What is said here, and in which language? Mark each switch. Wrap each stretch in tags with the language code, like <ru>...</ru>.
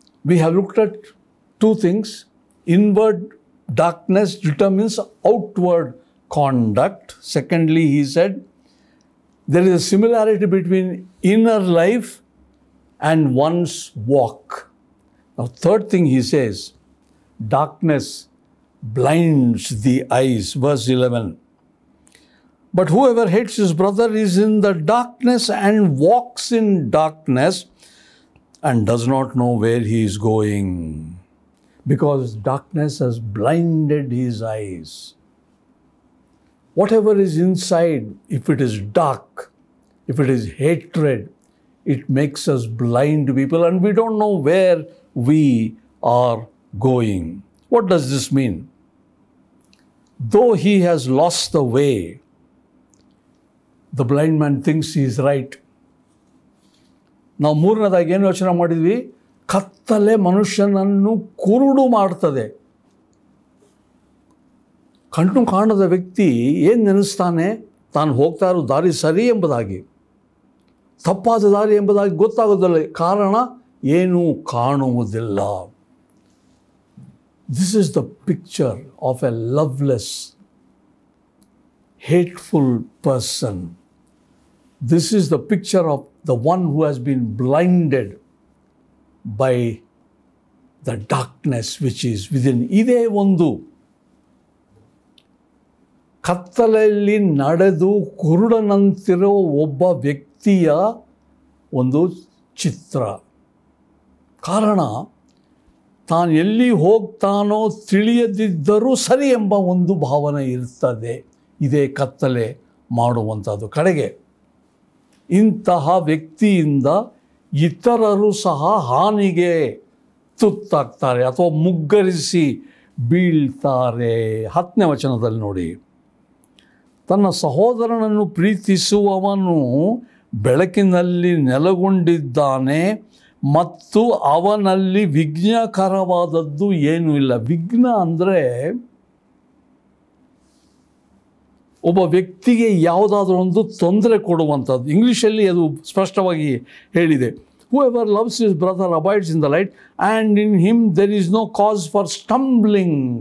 <en>We have looked at two things, inward darkness determines outward conduct. Secondly he said there is a similarity between inner life and one's walk. Now third thing he says, darkness blinds the eyes. Verse 11, but whoever hates his brother is in the darkness and walks in darkness and does not know where he is going, because darkness has blinded his eyes. Whatever is inside, if it is dark, if it is hatred, it makes us blind people and we don't know where we are going. What does this mean? Though he has lost the way, the blind man thinks he is right.</en> <kn>Now, ಮೂರನೇದಾಗಿ ಏನು ಯೋಚನೆ ಮಾಡಿದ್ವಿ, ಕತ್ತಲೆ ಮನುಷ್ಯನನ್ನು ಕುರುಡು ಮಾಡ್ತದೆ. ಕಣ್ಣು ಕಾಣದ ವ್ಯಕ್ತಿ ಏನು ನೆನೆಸ್ತಾನೆ, ತಾನು ಹೋಗ್ತಾ ಇರೋ ದಾರಿ ಸರಿ ಎಂಬುದಾಗಿ, ತಪ್ಪಾದ ದಾರಿ ಎಂಬುದಾಗಿ ಗೊತ್ತಾಗೋದಿಲ್ಲ, ಕಾರಣ ಏನೂ ಕಾಣುವುದಿಲ್ಲ.</kn> <en>This is the picture of a loveless, hateful person. This is the picture of the one who has been blinded by the darkness which is within.</en> <kn>Ide vandu kattalalli nadadu kurudanantiro obba vyaktiya ondu chitra. Karana taanu elli hogtano tiliyadiddaru sari emba ondu bhavana irutade. Ide kattale maduvantadu kadage intaha vyaktiyinda itararu saha haanige ತುತ್ತಾಗ್ತಾರೆ ಅಥವಾ ಮುಗ್ಗರಿಸಿ ಬೀಳ್ತಾರೆ. 10ನೇ ವಚನದಲ್ಲಿ ನೋಡಿ, ತನ್ನ ಸಹೋದರನನ್ನು ಪ್ರೀತಿಸುವವನು ಬೆಳಕಿನಲ್ಲಿ ನೆಲೆಗೊಂಡಿದ್ದಾನೆ ಮತ್ತು ಅವನಲ್ಲಿ ವಿಘ್ನಕರವಾದದ್ದು ಏನೂ ಇಲ್ಲ. ವಿಘ್ನ ಅಂದರೆ ಒಬ್ಬ ವ್ಯಕ್ತಿಗೆ ಯಾವುದಾದ್ರೂ ಒಂದು ತೊಂದರೆ ಕೊಡುವಂಥದ್ದು. ಇಂಗ್ಲೀಷಲ್ಲಿ ಅದು ಸ್ಪಷ್ಟವಾಗಿ ಹೇಳಿದೆ.</kn> <en>Whoever loves his brother abides in the light, and in him there is no cause for stumbling.</en>